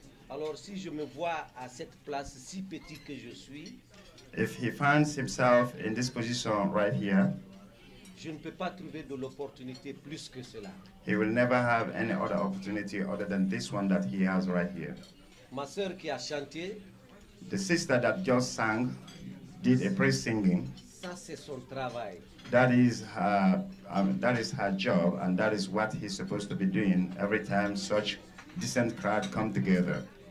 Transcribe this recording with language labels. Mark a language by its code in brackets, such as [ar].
[fr] Alors si je me vois à cette place si petit que je suis, [en] if he finds himself in this position right here, [fr] je ne peux pas trouver de l'opportunité plus que cela. [en] He will never have any other opportunity other than this one that he has right here. [fr] Ma sœur qui a chanté, [en] the sister that just sang, did a praise singing. [fr] Ça, c'est son travail. [en] That is her job, and that is what he's supposed to be doing every time such decent crowd come together.